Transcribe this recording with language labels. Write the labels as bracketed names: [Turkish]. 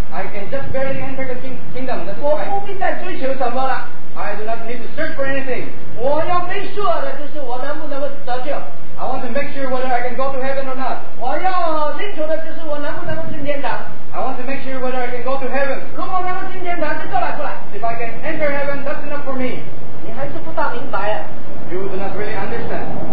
[English] I can just barely enter the kingdom. That's fine. [Chinese] 我不必再追求什么了。 [English] I do not need to search for anything. [Chinese] 我要 [English] make sure [Chinese] 的就是我能不能够得救。 [English] I want to make sure whether I can go to heaven or not. [Chinese] 我要清楚的就是我能不能够进天堂。 [English] I want to make sure whether I can go to heaven. [Chinese] 如果能够进天堂就够了，够了。 [English] If I can enter heaven, that's enough for me. [Chinese] 你还是不大明白啊。 [English] You do not really understand.